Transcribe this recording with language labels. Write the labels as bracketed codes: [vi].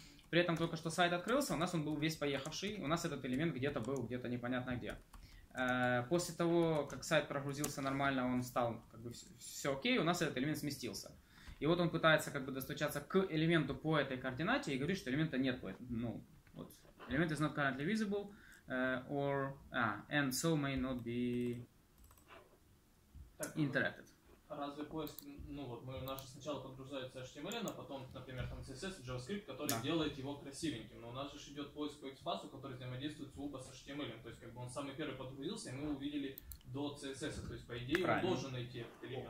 [ru] При этом только что сайт открылся, у нас он был весь поехавший, у нас этот элемент где-то был, где-то непонятно где. После того, как сайт прогрузился нормально, он стал, как бы, все окей, у нас этот элемент сместился. И вот он пытается как бы достучаться к элементу по этой координате и говорит, что элемента нет. Ну, вот. [en] Element is not currently visible or and so may not be interacted. [ru] А разве поиск, ну вот, мы наши сначала подгружаются HTML, а потом, например, там CSS, JavaScript, который делает его красивеньким. Но у нас же идет поиск по XPath, который взаимодействует сугубо с HTML. То есть как бы он самый первый подгрузился, и мы увидели до CSS. То есть по идее он должен найти этот элемент.